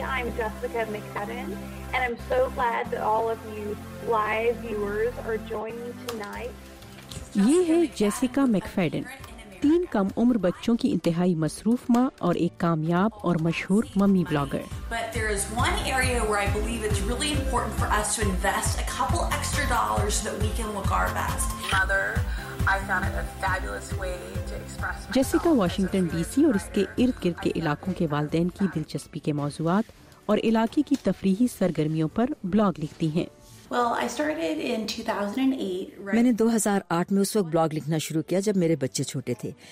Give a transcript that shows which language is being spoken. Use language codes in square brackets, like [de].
[en] I'm Jessica McKedden, and I'm so glad that all of you live viewers are joining tonight. [ur] Ye hai Jessica McFadden, تین کم عمر بچوں کی انتہائی مصروف ماں اور ایک کامیاب اور مشہور mummy blogger. [en] But there is one area where I believe it's really important for us to invest a couple extra dollars so that we can look our best. Mother, I found a fabulous way to express myself. [ur] جیسیکا Washington D C اور اس کے ارد گرد کے علاقوں کے والدین کی دلچسپی کے موضوعات اور علاقے کی تفریحی سرگرمیوں پر بلاگ لکھتی ہیں. [en] Well, I started in 2008. [ur] میں نے 2008 میں اس وقت بلاگ لکھنا شروع کیا جب میرے بچے چھوٹے تھے.